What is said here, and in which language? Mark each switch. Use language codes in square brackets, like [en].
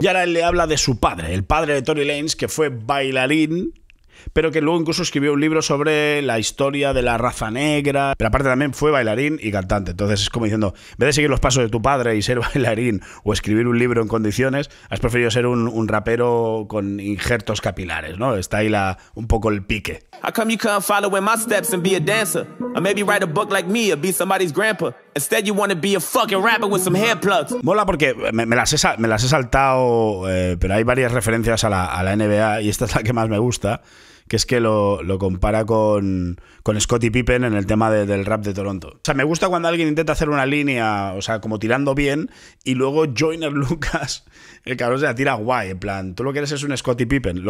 [es] Y ahora él le habla de su padre, el padre de Tory Lanez, que fue bailarín, pero que luego incluso escribió un libro sobre la historia de la raza negra. Pero aparte también fue bailarín y cantante. Entonces es como diciendo, en vez de seguir los pasos de tu padre y ser bailarín o escribir un libro en condiciones, has preferido ser un rapero con injertos capilares, ¿no? Está ahí un poco el pique. [en] How come you can't follow in my steps and be a dancer? Or maybe write a book like me or be somebody's grandpa? Instead you want to be a fucking rapper with some hair plugs. [es] Mola porque me las he saltado, pero hay varias referencias a la NBA y esta es la que más me gusta, que es que lo compara con Scottie Pippen en el tema del rap de Toronto. O sea, me gusta cuando alguien intenta hacer una línea, o sea, como tirando bien, y luego Joyner Lucas, el cabrón se la tira guay, en plan, tú lo que eres es un Scottie Pippen.